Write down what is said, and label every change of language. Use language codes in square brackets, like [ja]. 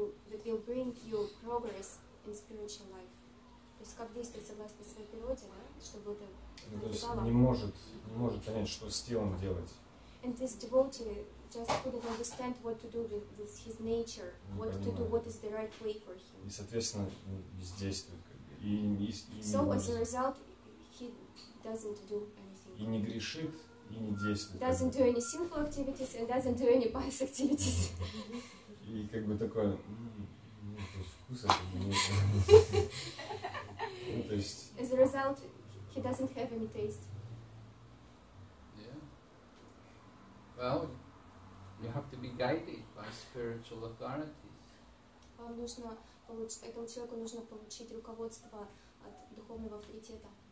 [en] That will bring you progress in spiritual life. [ru] То есть как действовать согласно своей природе, да, чтобы это было. Не может понять, что с телом делать. [en] And this devotee just couldn't understand what to do with his nature, what to do, what is the right way for him. [ru] И соответственно бездействует. [en] So as a result, he doesn't do anything. [ru] И не грешит. И не действует. [en] Doesn't do any sinful activities and doesn't do any pious activities. [ru] И как бы такое, ну, вкус это не имеет. Ну, то есть... [en] As a result, he doesn't have any taste. Yeah. Well, you have to be guided by spiritual authorities. [ru] Вам нужно получить, этому человеку нужно получить руководство от духовного авторитета.